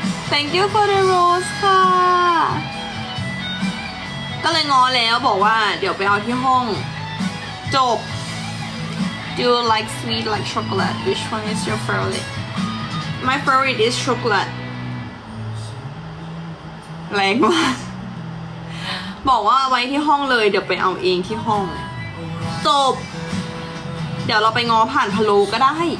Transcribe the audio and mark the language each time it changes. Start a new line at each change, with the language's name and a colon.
English: Thank you for the rose,
Thai: ค่ะก็เลยง้อแล้วบอกว่าเดี๋ยวไปเอาที่ห้องจบ
English: Do you like sweet like chocolate? Which one is your favorite? My favorite is chocolate.
Thai: แรงมากบอกว่าไว้ที่ห้องเลยเดี๋ยวไปเอาเองที่ห้องจบเดี๋ยวเราไปง้อผ่านพะโล้ก็ได้